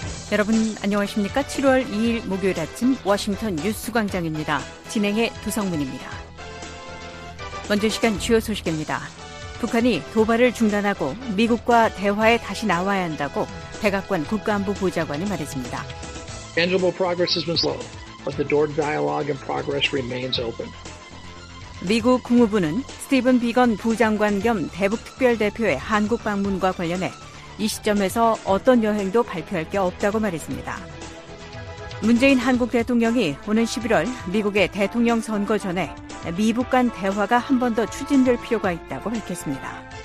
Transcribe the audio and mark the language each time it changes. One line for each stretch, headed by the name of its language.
Korean: 여러분 안녕하십니까? 7월 2일 목요일 아침 워싱턴 뉴스 광장입니다. 진행해 두성문입니다. 먼저 시간 주요 소식입니다. 북한이 도발을 중단하고 미국과 대화에 다시 나와야 한다고 백악관 국가안보 보좌관이 말했습니다.
English: Tangible progress has been slow, but the door to dialogue and progress remains open.
Korean: 미국 국무부는 스티븐 비건 부장관 겸 대북특별대표의 한국 방문과 관련해 이 시점에서 어떤 여행도 발표할 게 없다고 말했습니다. 문재인 한국 대통령이 오는 11월 미국의 대통령 선거 전에 미북 간 대화가 한 번 더 추진될 필요가 있다고 밝혔습니다.